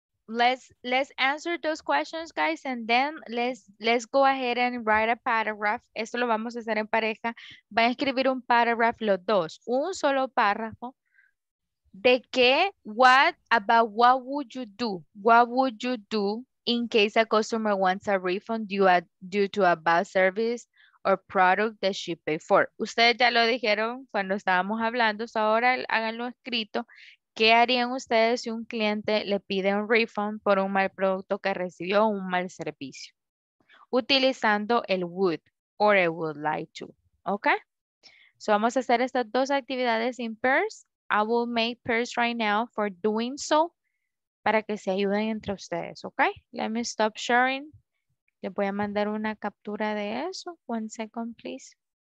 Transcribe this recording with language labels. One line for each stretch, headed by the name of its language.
English: Let's answer those questions, guys, and then let's go ahead and write a paragraph.
Spanish: Esto lo vamos a hacer en pareja. Va a escribir un paragraph los dos, un solo párrafo. De qué,
English: what about what would you do? What would you do in case a customer wants a refund due to a bad service or product that she paid for?
Spanish: Ustedes ya lo dijeron cuando estábamos hablando, so ahora háganlo escrito. ¿Qué harían ustedes si un cliente le pide un refund por un mal producto que recibió o un mal servicio? Utilizando el would or I would like to. ¿Ok? So vamos a hacer estas dos actividades en pairs.
English: I will make pairs right now for doing so
Spanish: para que se ayuden entre ustedes. ¿Ok?
English: Let me stop sharing.
Spanish: Les voy a mandar una captura de eso.
English: One second, please.